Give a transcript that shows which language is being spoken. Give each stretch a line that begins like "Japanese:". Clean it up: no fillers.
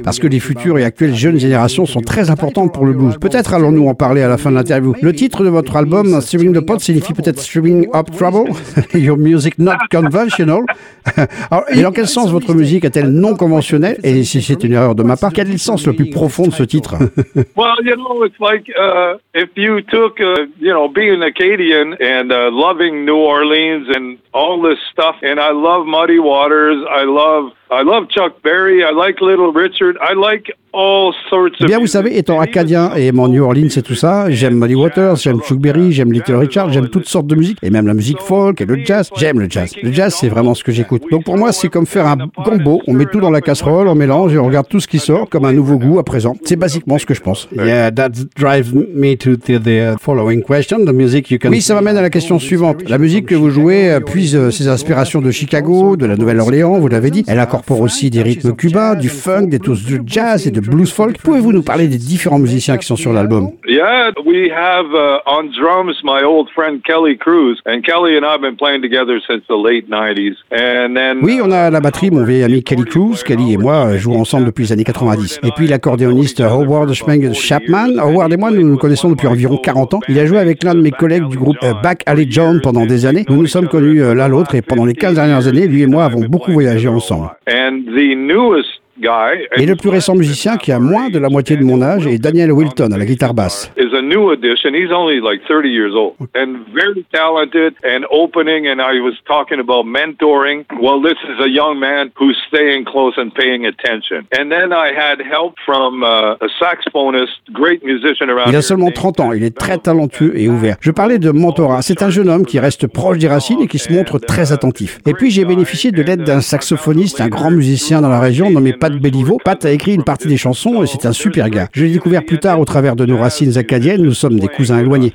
French: Parce que les futures et actuelles jeunes générations sont très importantes pour le blues. Peut-être allons-nous en parler à la fin de l'interview. Le titre de votre album, Stirring the Pot, signifie peut-être Stirring Up Trouble.
English: Your music not conventional.
French: Et dans quel sens votre musique est-elle non conventionnelle? Et si c'est une erreur de ma part, quel est le sens le plus profond de ce titre?
English: Well, you know, it's like if you took, you know, being Acadian and loving New Orleans and all this stuff, and I love Muddy Waters, I love Chuck Berry, I like Little Richard, I like all sorts of...
French: Eh bien, vous savez, étant acadien et mon New Orleans et tout ça, j'aime Muddy Waters, j'aime Chuck Berry, j'aime Little Richard, j'aime toutes sortes de musique, et même la musique folk et le jazz. J'aime le jazz. Le jazz, c'est vraiment ce que j'écoute. Donc pour moi, c'est comme faire un combo. On met tout dans la casserole, on mélange et on regarde tout ce qui sort comme un nouveau goût à présent. C'est basiquement ce que je pense.
English: Yeah, that drives me to the following question. The music you can...
French: Oui, ça m'amène à la question suivante. La musique que vous jouez puise ses inspirations de Chicago, de la Nouvelle-Orléans, vous l'avez dit. Elle incorpore aussi des rythmes cubains, du funk, des touches de jazz et de blues folk. Pouvez-vous nous parler des différents musiciens qui sont sur l'album?
English: Yeah, we have on drums my old friend Kelly Cruz, and Kelly and I've been playing together since the late 90s. And then...
French: Oui, on a à la batterie mon vieil ami Kelly Cruz. Kelly et moi jouons ensemble depuis les années 90. Et puis l'accordéoniste Howard Schmengel Chapman. Howard et moi, nous nous connaissons depuis environ 40 ans. Il a joué avec l'un de mes collègues du groupe Back Alley John pendant des années. Nous nous sommes connus l'un l'autre, et pendant les 15 dernières années, lui et moi avons beaucoup voyagé ensemble.
English: And the newest...
French: Et le plus récent musicien qui a moins de la moitié de mon âge est Daniel Wilton à la guitare basse.
English: Is a new addition. He's only like 30 years old and very talented and opening. And I was talking about mentoring. Well, this is a young man who's staying close and paying attention. And then I had help from a saxophonist, great musician around.
French: Il a seulement 30 ans. Il est très talentueux et ouvert. Je parlais de mentorat. C'est un jeune homme qui reste proche des racines et qui se montre très attentif. Et puis j'ai bénéficié de l'aide d'un saxophoniste, un grand musicien dans la région, nommé Pat Béliveau. Pat a écrit une partie des chansons et c'est un super gars. Je l'ai découvert plus tard au travers de nos racines acadiennes, nous sommes des cousins éloignés.